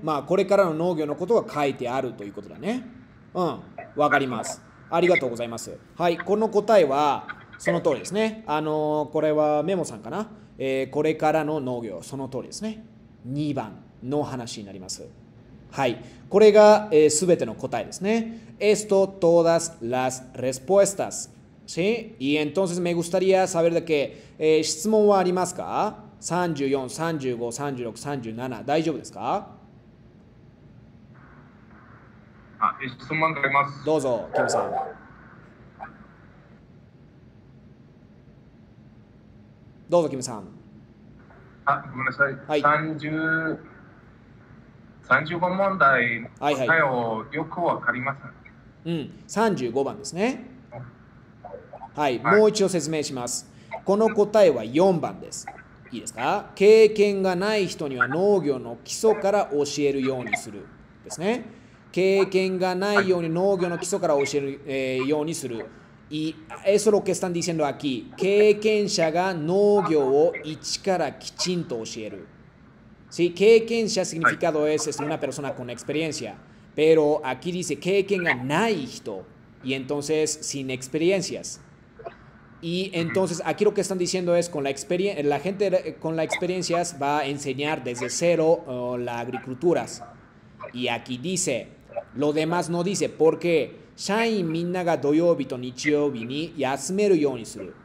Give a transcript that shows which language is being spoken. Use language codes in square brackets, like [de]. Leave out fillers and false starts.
[ja] まあ、これからの農業のことが書いてあるということだね。うん、わかります。ありがとうございます。はい、この答えは、その通りですね。これはメモさんかな、これからの農業、その通りですね。 2番の話になります。はい。これが、すべての答えですね。 [es] Esto, todas las respuestas. ¿Sí? Y entonces me gustaría saber de qué. [ja] 質問はありますか ?34、35、36、37。大丈夫ですか？あ、質問があります。どうぞ、キムさん。どうぞ、キムさん。あ、ごめんなさい。はい、 35問題の答えをよくわかりませんはいはい、うん、35番ですね。はい、もう一度説明します。この答えは4番です。いいですか？経験がない人には農業の基礎から教えるようにするですね。経験がないように農業の基礎から教える、ようにする。 [es] Y eso es lo que están diciendo aquí. [ja] 経験者が農業を一からきちんと教える。 [es] Sí, [ja] 経験者 [es] significado es una persona con experiencia. Pero aquí dice [ja] 経験がない人. [es] Y entonces sin experiencias. Y entonces aquí lo que están diciendo es con la experiencia, la gente con las experiencias va a enseñar desde cero las agriculturas. Y aquí dice, lo demás no dice porque... [ja] 社員みんなが土曜日と日曜日に休めるようにする。